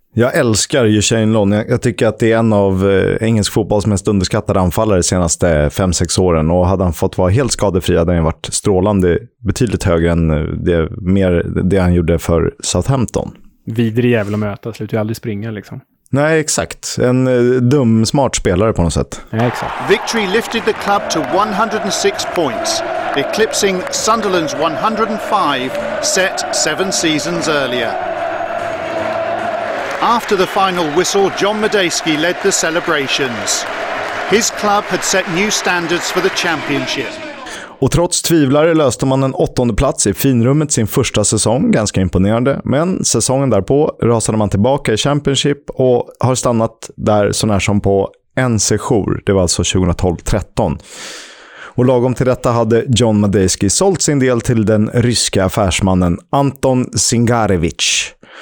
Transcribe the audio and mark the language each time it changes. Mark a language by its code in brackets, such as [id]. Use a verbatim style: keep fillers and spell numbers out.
[sv] Jag älskar ju Shane Long. Jag tycker att det är en av eh, engelsk fotbolls mest underskattade anfallare de senaste fem sex åren. Och hade han fått vara helt skadefri hade han varit strålande, betydligt högre än det, mer det han gjorde för Southampton. Vidrig jävla möta, slutar ju aldrig springa liksom. Nej, exakt. En eh, dum, smart spelare på något sätt. Ja, exakt. [en] Victory lifted the club to one hundred six points, eclipsing Sunderland's one hundred five set seven seasons earlier. After the final whistle, John Madejski led the celebrations. His club had set new standards for the championship. [sv] Och trots tvivlare löste man en åttonde plats i finrummet sin första säsong, ganska imponerande. Men säsongen därpå rasade man tillbaka i Championship och har stannat där sånär som på en sejour. Det var alltså tjugotolv tretton. Och lagom till detta hade John Madejski sålt sin del till den ryska affärsmannen Anton Singarevich.